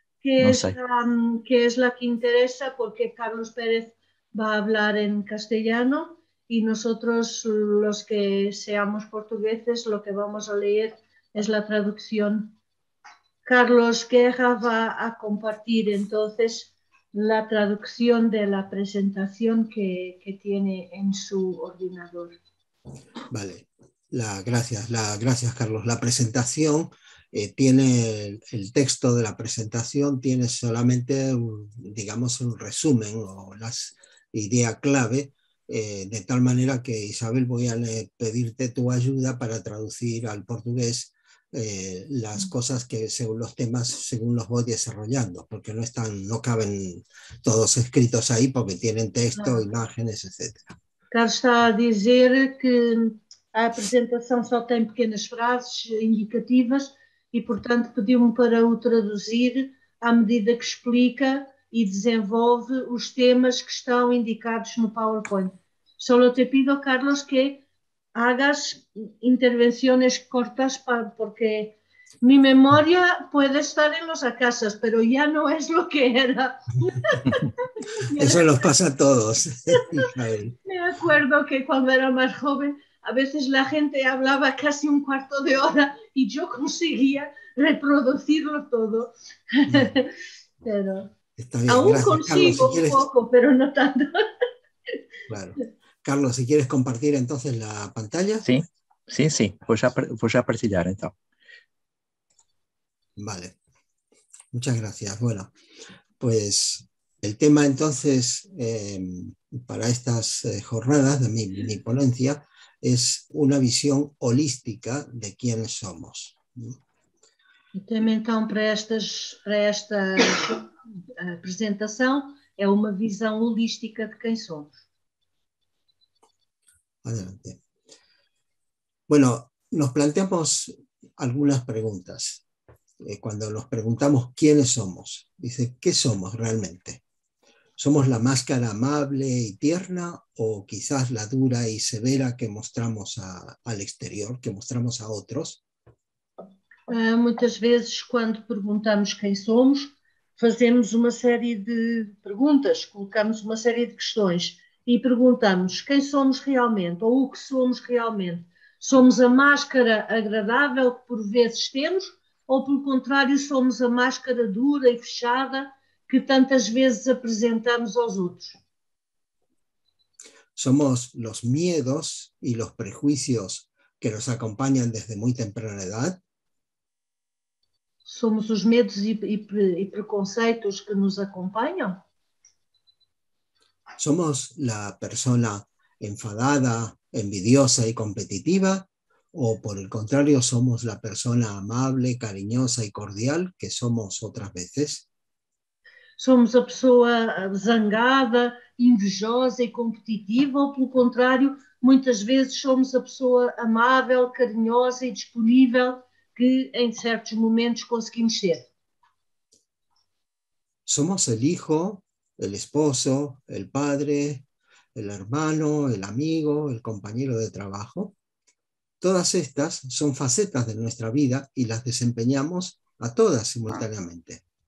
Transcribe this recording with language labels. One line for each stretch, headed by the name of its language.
Portuguese: Que é a que interessa, porque Carlos Pérez vai falar em castellano e nós, os que
Spanish: seamos
Portuguese: portugueses, o que vamos a ler é a tradução. Carlos Guerra vai a compartir, então...
Spanish: la traducción de la presentación que tiene en su ordenador. Vale, gracias Carlos. La presentación tiene, el texto de la presentación tiene solamente, digamos, un resumen o las ideas clave, de tal manera que, Isabel, voy a pedirte tu ayuda para traducir al portugués las cosas que según los temas, según los voy desarrollando, porque no están, no caben todos escritos ahí porque tienen texto, claro, imágenes, etc.
Portuguese: Carlos está a dizer que a apresentação só tem pequenas frases indicativas e, portanto, pediu-me para o traduzir à medida que explica e desenvolve os temas que estão indicados no PowerPoint.
Spanish: Só te pido, Carlos, que hagas intervenciones cortas porque mi memoria puede estar en los acasas, pero ya no es lo que era. Eso nos pasa a todos, Isabel. Me acuerdo que cuando era más joven, a veces la gente hablaba casi un cuarto de hora y yo conseguía reproducirlo todo. Pero Está bien, aún gracias, Carlos. Si consigo un quieres, poco, pero no tanto. claro. Carlos, si quieres compartir entonces la pantalla. Sí, voy a partilhar entonces. Vale, muchas gracias. Bueno, pues el tema entonces para estas jornadas de mi ponencia es una visión holística de quiénes somos.
Portuguese: Também então para esta apresentação é uma visão holística de quem somos.
Spanish: Adelante. Bueno, nos planteamos algunas preguntas. Cuando nos preguntamos quiénes somos, dice, ¿qué somos realmente? ¿Somos la máscara amable y tierna o quizás la dura y severa que mostramos al exterior, que mostramos a otros?
Portuguese: Muitas vezes, quando perguntamos quem somos, fazemos uma série de perguntas, colocamos uma série de questões e perguntamos quem somos realmente ou o que somos realmente. Somos a máscara agradável que por vezes temos ou, pelo contrário, somos a máscara dura e fechada que tantas vezes apresentamos aos outros?
Spanish: Somos los miedos y los prejuicios que nos acompañan desde muy temprana edad.
Portuguese: Somos os medos e preconceitos que nos acompanham?
Spanish: ¿Somos la persona enfadada, envidiosa y competitiva? ¿O por el contrario, somos la persona amable, cariñosa y cordial que somos otras veces?
Portuguese: Somos a pessoa zangada, invejosa e competitiva, ou, pelo contrário, muitas vezes somos a pessoa amável, carinhosa e disponível que em certos momentos conseguimos ser.
Spanish: Somos el hijo, el esposo, el padre, el hermano, el amigo, el compañero de trabajo. Todas estas son facetas de nuestra vida y las desempeñamos a todas simultáneamente.